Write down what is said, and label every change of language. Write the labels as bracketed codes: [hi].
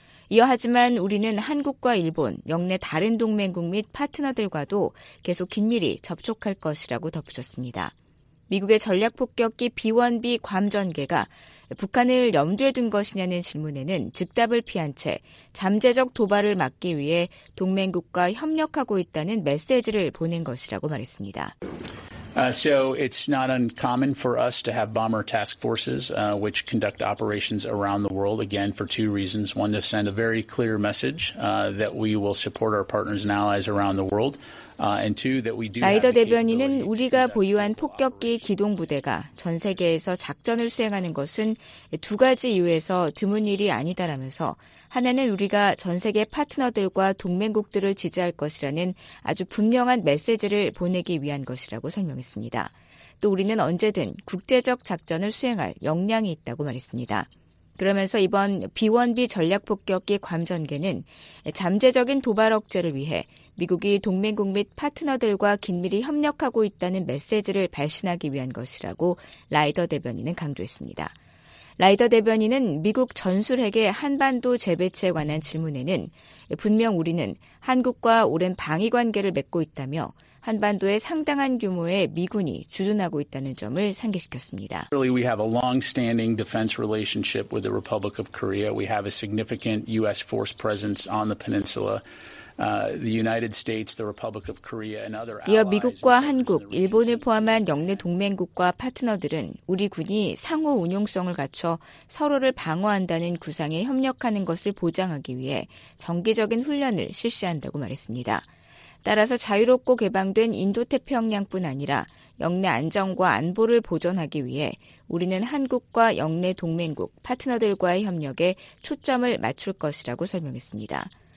[ko] 이어 하지만 우리는 한국과 일본, 역내 다른 동맹국 및 파트너들과도 계속 긴밀히 접촉할 것이라고 덧붙였습니다. 미국의 전략폭격기 B-1B 괌전개가 북한을 염두에 둔 것이냐는 질문에는 즉답을 피한 채 잠재적 도발을 막기 위해 동맹국과 협력하고 있다는 메시지를 보낸 것이라고 말했습니다. [en] So it's not uncommon for us to have bomber task forces which conduct operations around the world again for two reasons. One, to send a very clear message that we will support our partners and allies around the world. [ko] 라이더 대변인은 우리가 보유한 폭격기 기동부대가 전 세계에서 작전을 수행하는 것은 두 가지 이유에서 드문 일이 아니다라면서 하나는 우리가 전 세계 파트너들과 동맹국들을 지지할 것이라는 아주 분명한 메시지를 보내기 위한 것이라고 설명했습니다. 또 우리는 언제든 국제적 작전을 수행할 역량이 있다고 말했습니다. 그러면서 이번 B-1B 전략폭격기 괌전개는 잠재적인 도발 억제를 위해 미국이 동맹국 및 파트너들과 긴밀히 협력하고 있다는 메시지를 발신하기 위한 것이라고 라이더 대변인은 강조했습니다. 라이더 대변인은 미국 전술핵의 한반도 재배치에 관한 질문에는 분명 우리는 한국과 오랜 방위관계를 맺고 있다며 한반도에 상당한 규모의 미군이 주둔하고 있다는 점을 상기시켰습니다. [en] Really, we have a long-standing defense relationship with the Republic of Korea. We have a significant U.S. force presence on the peninsula. The United States, the Republic of Korea, and other allies. [ko] 이어 미국과 한국, 일본을 포함한 영내 동맹국과 파트너들은 우리 군이 상호 운용성을 갖춰 서로를 방어한다는 구상에 협력하는 것을 보장하기 위해 정기적인 훈련을 실시한다고 말했습니다. 따라서 자유롭고 개방된 인도태평양뿐 아니라 영내 안정과 안보를 보전하기 위해 우리는 한국과 영내 동맹국, 파트너들과의 협력에 초점을 맞출 것이라고 설명했습니다.